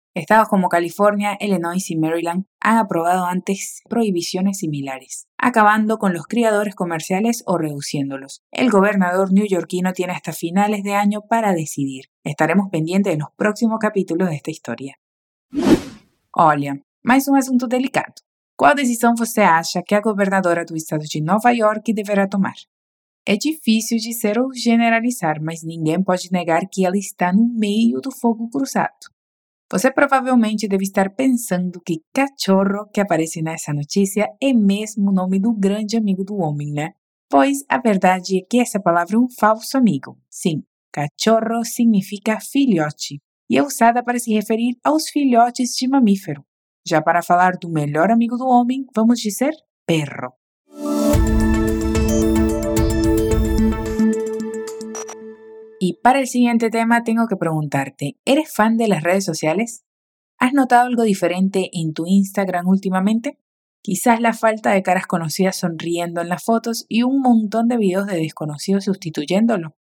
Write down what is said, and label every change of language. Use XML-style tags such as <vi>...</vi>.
<es>Estados como California, Illinois y Maryland han aprobado antes prohibiciones similares, acabando con los criadores comerciales o reduciéndolos. El gobernador neoyorquino tiene hasta finales de año para decidir. Estaremos pendientes de los próximos capítulos de esta historia.</es> <pt>Olha, mais um assunto delicado.</pt> <es>¿Cuál decisión</es> <pt>você acha que a gobernadora do estado de Nova York</pt> <es>deberá tomar?</es> <pt>É difícil dizer ou generalizar, mas ninguém pode negar que ela está no meio do fogo cruzado. Você provavelmente deve estar pensando que cachorro que aparece nessa notícia é mesmo o nome do grande amigo do homem, né? Pois a verdade é que essa palavra é um falso amigo. Sim, cachorro significa filhote e é usada para se referir aos filhotes de mamífero. Já para falar do melhor amigo do homem, vamos dizer perro. Música.</pt> <es>Y para el siguiente tema tengo que preguntarte, ¿eres fan de las redes sociales? ¿Has notado algo diferente en tu Instagram últimamente? Quizás la falta de caras conocidas sonriendo en las fotos y un montón de videos de desconocidos sustituyéndolo.</es>